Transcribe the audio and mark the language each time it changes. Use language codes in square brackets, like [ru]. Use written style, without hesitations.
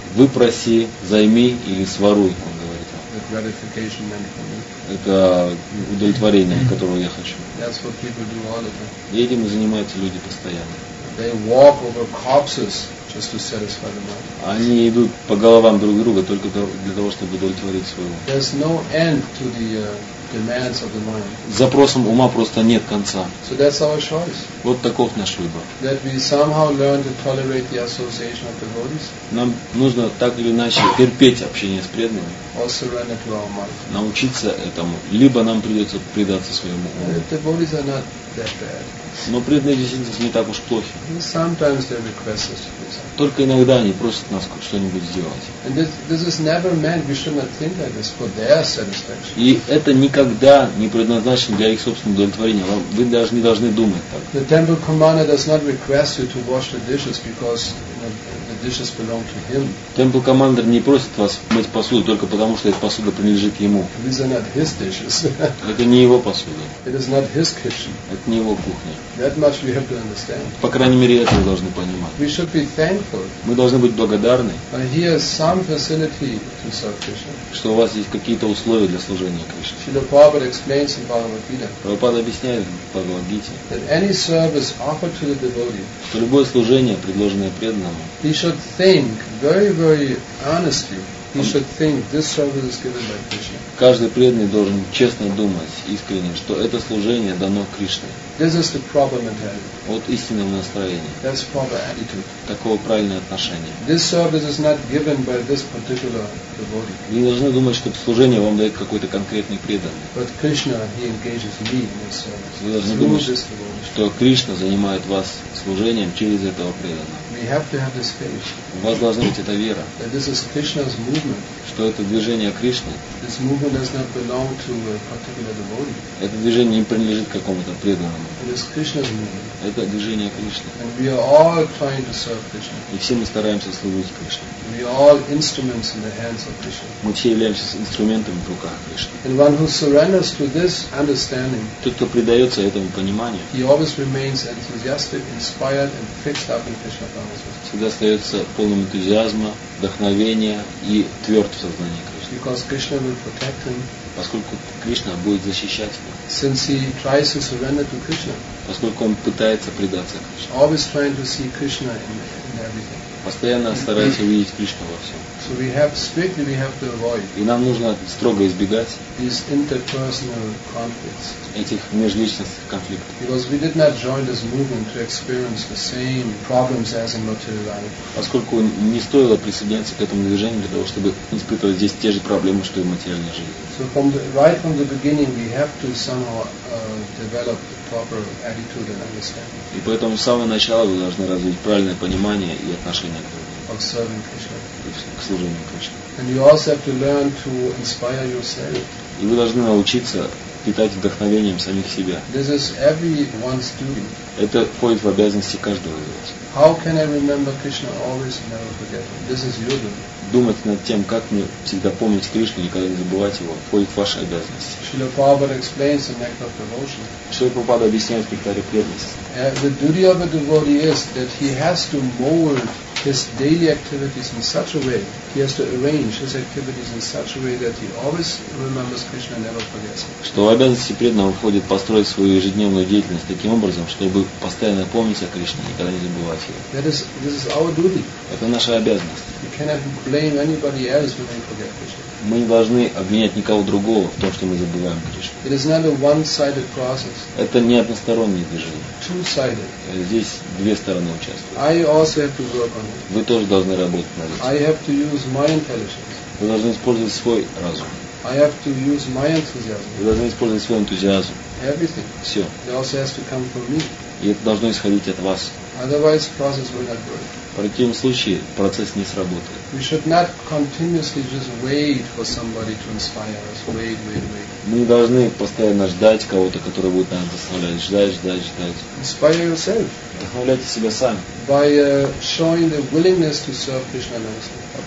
[ru] Выпроси, займи или своруй, он говорит. [en] The gratification meant for me. [ru] Это удовлетворение, которого я хочу. [en] That's what people do all the time. [ru] И этим и занимаются люди постоянно. [en] They walk over corpses. Just to satisfy the mind. [ru] Они идут по головам друг друга только для того, чтобы удовлетворить свой ум. [en] There's no end to the demands of the mind. [ru] Запросам ума просто нет конца. [en] So that's our choice. [ru] Вот таков наш выбор. [en] That we somehow learn to tolerate the association of devotees. [ru] Нам нужно так или иначе терпеть общение с преданными. [en] Or surrender to our mind. [ru] Научиться этому. Либо нам придется предаться своему уму. [en] The devotees are not that bad. [ru] Но преданные действительно не так уж плохи. [en] Sometimes they request us to do something. [ru] Только иногда они просят нас что-нибудь сделать. [en] And this is never meant, we should not think like this, for their satisfaction. [ru] И это никогда не предназначено для их собственного удовлетворения. Вы даже не должны думать так. [en] The temple commander does not request you to wash the dishes because, you know, the dishes belong to him. [ru] Temple commander не просит вас мыть посуду только потому, что эта посуда принадлежит ему. [en] These are not his dishes. [ru] Это не его посуда. [en] It is not his kitchen. [ru] Это не его кухня. [en] That much we have to understand. [ru] По крайней мере, это мы должны понимать. [en] We should be thankful. [ru] Мы должны быть благодарны. [en] But he has some facility to serve Krishna. [ru] Что у вас есть какие-то условия для служения Кришне. [en] Srila Prabhupada explains in Bhagavad Gita. [ru] Прабхупада объясняет в Бхагавад Гите. [en] That any service offered to the devotee. [ru] Что любое служение, предложенное преданному. [en] He should think very, very honestly. He should think this service is given by Krishna. [ru] Каждый преданный должен честно думать, искренне, что это служение дано Кришне. [en] This is the proper mentality. [ru] Вот истинное настроение. [en] That's proper attitude. [ru] Такого правильное отношение. [en] This service is not given by this particular devotee. [ru] Не должны думать, что это служение вам дает какой-то конкретный преданный. [en] But Krishna, he engages me in this service. [ru] Вы должны думать, что Кришна занимает вас служением через этого преданного. [en] We have to have this faith. [ru] У вас должна быть эта вера. [en] That this is Krishna's movement. [ru] Что это движение Кришны. [en] This movement does not belong to a particular devotee. [ru] Это движение не принадлежит какому-то преданному. [en] It is Krishna's movement. [ru] Это движение Кришны. [en] And we are all trying to serve Krishna. [ru] И все мы стараемся служить Кришне. [en] We are all instruments in the hands of Krishna. [ru] Мы все являемся инструментами в руках Кришны. [en] And one who surrenders to this understanding, [ru] тот, кто предается этому пониманию, [en] he always remains enthusiastic, inspired, and fixed up in Krishna. [ru] Всегда остается полным энтузиазма, вдохновения и тверд в сознании Кришны. [en] Because Krishna will protect him. [ru] Поскольку Кришна будет защищать его. [en] Since he tries to surrender to Krishna. [ru] Поскольку он пытается предаться Кришне. [en] Always trying to see Krishna in everything. [ru] Постоянно старается увидеть Кришну во всем. [en] So we have strictly we have to avoid. [ru] И нам нужно строго избегать [en] these interpersonal conflicts. [ru] Этих межличностных конфликтов. [en] Because we did not join this movement to experience the same problems as in material life. [ru] Поскольку не стоило присоединяться к этому движению для того, чтобы испытывать здесь те же проблемы, что и в материальной жизни. [en] So from the, right from the beginning we have to somehow develop the proper attitude and understanding. [ru] И поэтому с самого начала вы должны развить правильное понимание и отношение к этому. [en] Of serving Krishna. [ru] К служению Кришне. [en] And you also have to learn to inspire yourself. [ru] И вы должны научиться питать вдохновением самих себя. [en] This is everyone's duty. [ru] Это входит в обязанности каждого из вас. [en] How can I remember Krishna always and never forget him? This is your duty. [ru] Думать над тем, как мне всегда помнить Кришну, никогда не забывать его, входит в ваши обязанности. [en] Шрила Прабхупада explains the nectar of devotion. [ru] Шрила Прабхупада объясняет нектар преданности. [en] The duty of a devotee is that he has to mold his daily activities in such a way, he has to arrange his activities in such a way that he always remembers Krishna and never forgets. [ru] Что в обязанности преданного входит построить свою ежедневную деятельность таким образом, чтобы постоянно помнить о Кришне и никогда не забывать его. [en] This is our duty. [ru] Это наша обязанность. [en] You cannot blame anybody else when they forget Krishna. [ru] Мы не должны обвинять никого другого в том, что мы забываем Кришну. [en] It is not a one-sided process. [ru] Это не одностороннее движение. [en] Two-sided. [ru] Здесь две стороны участвуют. [en] I also have to work on it. [ru] Вы тоже должны работать над этим. [en] I have to use my intelligence. [ru] Вы должны использовать свой разум. [en] I have to use my enthusiasm. [ru] Вы должны использовать свой энтузиазм. [en] Everything. [ru] Все. [en] It also has to come from me. [ru] И это должно исходить от вас. [en] Otherwise, process will not work. [ru] В противном случае процесс не сработает. [en] We should not continuously just wait for somebody to inspire us. Wait. [ru] Мы не должны постоянно ждать кого-то, который будет нас вдохновлять. Ждать. [en] Inspire yourself. [ru] Вдохновляйте себя сам. [en] By showing the willingness to serve Krishna nicely.